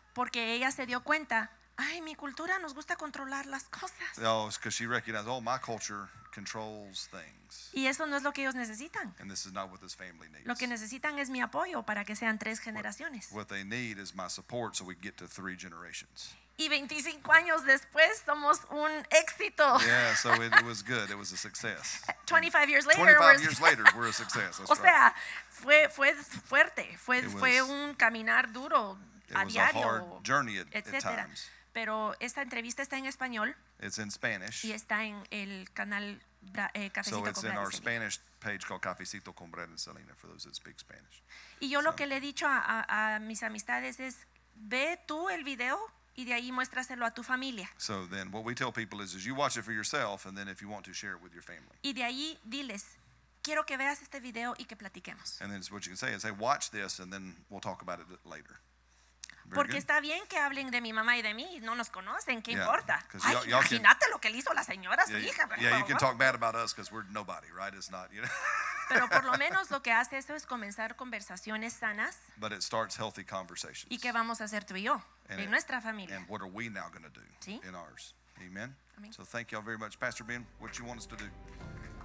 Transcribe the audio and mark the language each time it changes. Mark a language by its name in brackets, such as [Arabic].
[Spanish] Porque ella se dio cuenta, ay, mi cultura nos gusta controlar las cosas. [English] No, it's because she recognized, oh, my culture controls things. [Spanish] Y eso no es lo que ellos necesitan. [English] And this is not what this family needs. [Spanish] Lo que necesitan es mi apoyo para que sean 3 generaciones. [English] What they need is my support so we get to 3 generations. [Spanish] Y 25 años después somos un éxito. [English] Yeah, so it was good. It was a success. 25 years later, 25 years later we're a success. That's [Spanish] o sea, [English] right. [Spanish] fue fuerte. Fue un caminar duro a diario. [English] It was a hard journey at times. [Spanish] Pero esta entrevista está en español. [English] It's in Spanish. [Spanish] Y está en el canal Cafecito con Brad y Selena. [English] So it's in our Spanish page called Cafecito con Brad y Selena for those that speak Spanish. [Spanish] Y yo lo que le he dicho a mis amistades es, ve tú el video. Y de ahí muéstraselo a tu familia. [English] So then what we tell people is you watch it for yourself and then if you want to share it with your family. [Spanish] Y de ahí diles, quiero que veas este video y que platiquemos. [English] And then what you can say is, hey, watch this and then we'll talk about it later. [Spanish] Very porque good. Está bien que hablen de mi mamá y de mí, no nos conocen, ¿qué importa? Ay, imagínate lo que le hizo la señora, su hija. [English] Yeah, you can talk bad about us because we're nobody, right? It's not, you know. [Spanish] Pero por lo menos lo que hace eso es comenzar conversaciones sanas. [English] But it starts healthy conversations. [Spanish] ¿Y qué vamos a hacer tú y yo en nuestra familia? [English] And what are we now going to do [Spanish] ¿Sí? [English] in ours? Amen. So thank you all very much. Pastor Ben, what you want us to do?